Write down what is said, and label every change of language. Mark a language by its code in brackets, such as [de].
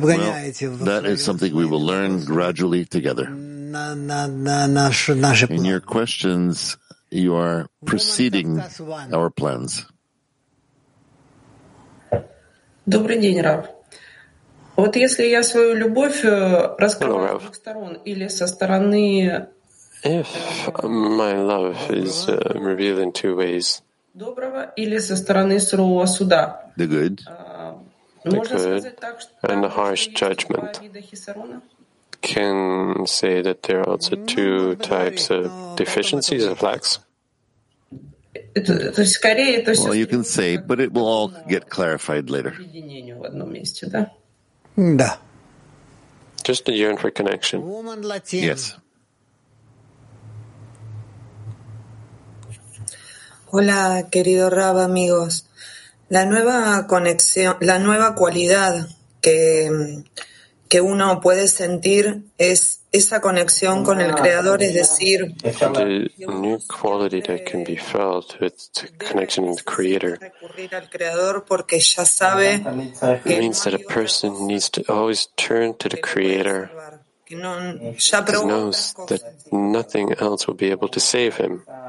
[en] that is something we will learn gradually together. In your questions, you are preceding our plans. [ru] Добрый день, Рав. Вот если я свою любовь раскрою с двух сторон или со стороны. [en] If my love is revealed in two ways. [ru] Доброго или со стороны сурового суда. [en] The good. The good and the harsh judgment. Can say that there are also two types of deficiencies of lacks. Well, you can say, but it will all get clarified later. [ru] Да. [en] Just a yearn for connection. Woman, yes. [es] Hola, querido Rab, amigos. La nueva conexión, la nueva cualidad que uno puede sentir es esa conexión con el Creador, es decir, [en] the new quality that can be felt with the connection with the Creator. It means that a person needs to always turn to the Creator. He knows that nothing else will be able to save him.